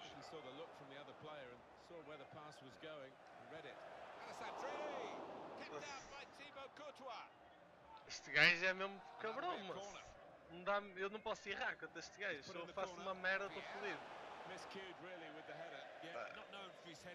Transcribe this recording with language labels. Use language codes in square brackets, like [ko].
[en] saw the look from the other player and saw where the pass was going and read it. Alessandrini! Kept out by Thibaut Courtois! [pt] Este gajo é mesmo cabrão, mas eu não posso errar contra este gajo. Se eu faço uma merda, estou fodido. [en] Miscued really with the header.